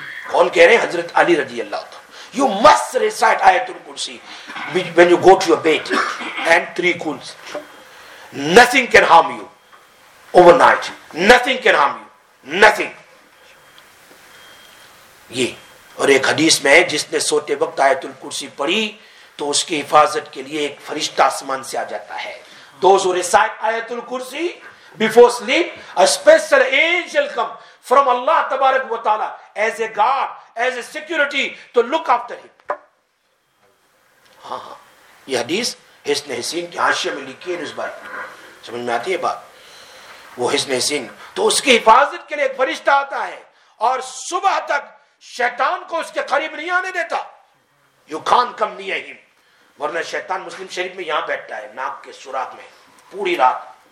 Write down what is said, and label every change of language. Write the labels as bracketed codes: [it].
[ur] کون کہہ رہے ہیں؟ حضرت علی رضی اللہ تعالیٰ. [en] You must recite Ayatul Kursi when you go to your bed and three kulls. Nothing can harm you overnight. Nothing. [ur] یہ. اور ایک حدیث میں ہے, جس نے سوتے وقت آیت الکرسی پڑھی تو اس کی حفاظت کے لیے ایک فرشتہ آسمان سے آ جاتا ہے. [en] Those who recite آیت الکرسی before sleep, a special angel come from Allah تبارک و تعالی as a guard, as a security to look after him. [ur] ہاں یہ حدیث حسن حسین کے حاشیے میں لکھی ہے نسبائی, سمجھ میں آتی ہے بات؟ وہ حسن حسین, تو اس کی حفاظت کے لیے ایک فرشتہ آتا ہے اور صبح تک شیطان کو اس کے قریب نہیں آنے دیتا. یو خان کم نہیں ہے, ورنہ شیطان مسلم شریف میں یہاں بیٹھتا ہے ناک کے سوراخ میں پوری رات.